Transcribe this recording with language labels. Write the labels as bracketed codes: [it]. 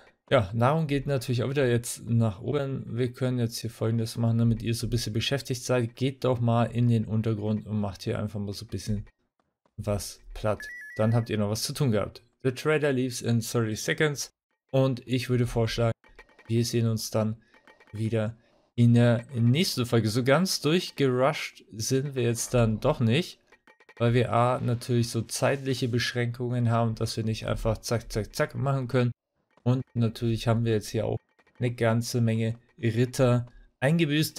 [de] Ja, Nahrung geht natürlich auch wieder jetzt nach oben. Wir können jetzt hier Folgendes machen, damit ihr so ein bisschen beschäftigt seid. Geht doch mal in den Untergrund und macht hier einfach mal so ein bisschen was platt. Dann habt ihr noch was zu tun gehabt. [en] The Trader leaves in 30 seconds. [de] Und ich würde vorschlagen, wir sehen uns dann wieder in der nächsten Folge. So ganz durchgerusht sind wir jetzt dann doch nicht, weil wir A, natürlich so zeitliche Beschränkungen haben, dass wir nicht einfach zack, zack, zack machen können. Und natürlich haben wir jetzt hier auch eine ganze Menge Ritter eingebüßt.